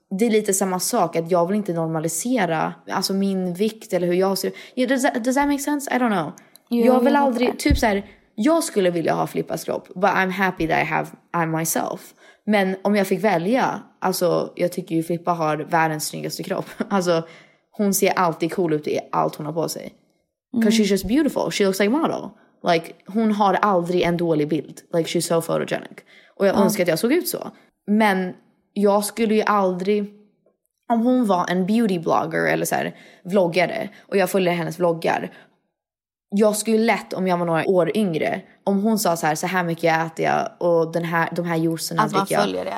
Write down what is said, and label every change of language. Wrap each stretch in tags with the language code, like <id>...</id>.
<sv>Det är lite samma sak, att jag vill inte normalisera alltså min vikt eller hur jag ser.</sv> <en>Does that make sense? I don't know.</en> <sv>Jag vill aldrig, typ så här, jag skulle vilja ha Filippas kropp,</sv> <en>but I'm happy that I'm myself.</en> <sv>Men om jag fick välja, alltså jag tycker ju Filippa har världens snyggaste kropp. Alltså hon ser alltid cool ut i allt hon har på sig.</sv> <en>Because she's just beautiful, she looks like a model.</en> <sv>Like, hon har aldrig en dålig bild.</sv> <en>Like, she's so photogenic.</en> <sv>Och jag önskar att jag såg ut så. Men... Jag skulle ju aldrig, om hon var en beautyblogger eller så här, vloggare och jag följer hennes vloggar. Jag skulle lätt, om jag var några år yngre, om hon sa så här mycket äter jag och de här juicerna dricker jag.</sv>